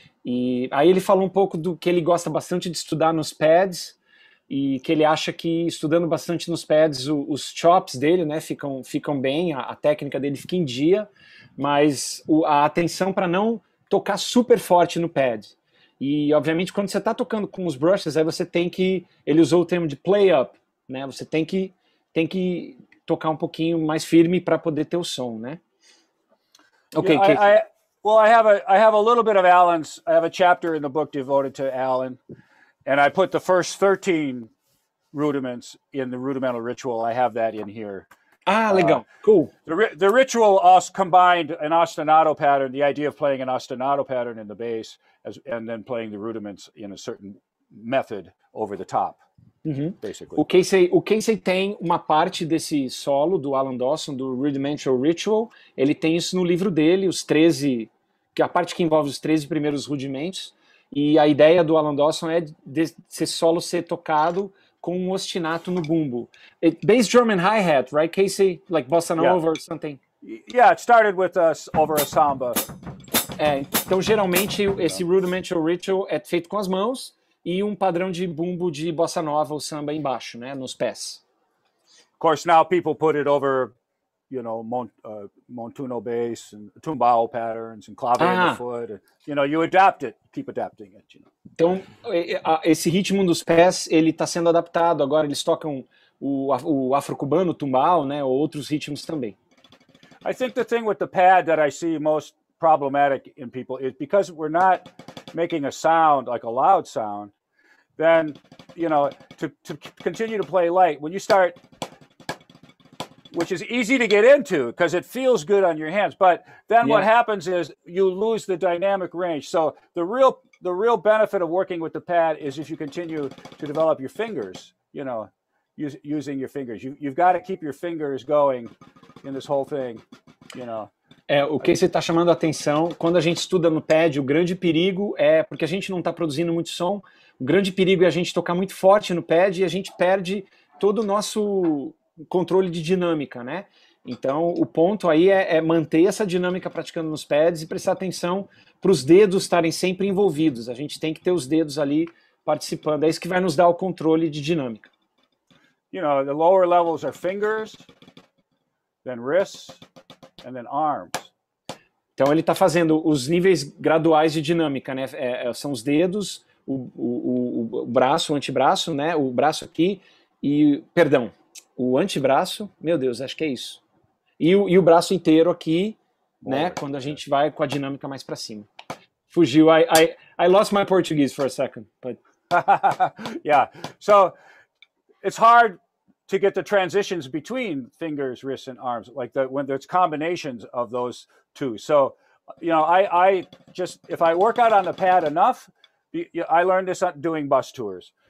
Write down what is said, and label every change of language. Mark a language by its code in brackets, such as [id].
[pt] E aí ele falou um pouco do que ele gosta bastante de estudar nos pads, e que ele acha que estudando bastante nos pads, os chops dele, né, ficam bem, a técnica dele fica em dia, mas a atenção para não tocar super forte no pad. E, obviamente, quando você está tocando com os brushes, aí você tem que... Ele usou o termo de play-up, né? Você tem que tocar um pouquinho mais firme para poder ter o som, né? [en] Ok, yeah, Casey. I have a little bit of Alan's... I have a chapter in the book devoted to Alan. And I put the first 13 rudiments in the Rudimental Ritual. I have that in here. [pt] Ah, legal. [en] Cool. The ritual also combined an ostinato pattern, the idea of playing an ostinato pattern in the bass, and then playing the rudiments in a certain method over the top, uh-huh. Basically. [pt] O Casey tem uma parte desse solo do Alan Dawson, do Rudimental Ritual. Ele tem isso no livro dele, os 13, que a parte que envolve os 13 primeiros rudimentos. E a ideia do Alan Dawson é desse solo ser tocado com um ostinato no bumbo. [en] Bass drum and hi-hat, right, Casey? Like bossa nova, yeah, or something? Yeah, it started with us over a samba. [pt] É, então, geralmente, esse Rudimental Ritual é feito com as mãos e um padrão de bumbo de bossa nova ou samba embaixo, né, nos pés. [en] Of course, now people put it over, you know, montuno bass and tumbao patterns and clave in the foot. You know, you adapt it, keep adapting it, you know. [pt] Então, esse ritmo dos pés, ele está sendo adaptado. Agora eles tocam o afro-cubano, o tumbao, né, ou outros ritmos também. [en] I think the thing with the pad that I see most problematic in people is because we're not making a sound, like a loud sound, then, you know, to continue to play light, when you start... Which is easy to get into because it feels good on your hands. But then what happens is you lose the dynamic range. So the real benefit of working with the pad is if you continue to develop your fingers, you know, using your fingers. You've got to keep your fingers going in this whole thing, you know. [pt] É, o que você está chamando a atenção, quando a gente estuda no pad, o grande perigo é, porque a gente não está produzindo muito som, o grande perigo é a gente tocar muito forte no pad e a gente perde todo o nosso... controle de dinâmica, né? Então, o ponto aí é manter essa dinâmica praticando nos pads e prestar atenção para os dedos estarem sempre envolvidos. A gente tem que ter os dedos ali participando. É isso que vai nos dar o controle de dinâmica. [en] You know, the lower levels are fingers, then wrists, and then arms. [pt] Então, ele está fazendo os níveis graduais de dinâmica, né? São os dedos, o braço, o antebraço, né? O braço aqui e... Perdão. O antebraço, meu Deus, acho que é isso. E o braço inteiro aqui, boa, né? Quando a gente vai com a dinâmica mais para cima. Fugiu. [en] I lost my Portuguese for a second. But... yeah. So, it's hard to get the transitions between fingers, wrists, and arms. Like, when there's combinations of those two. So, you know, I just, if I work out on the pad enough, I learned this doing bus tours.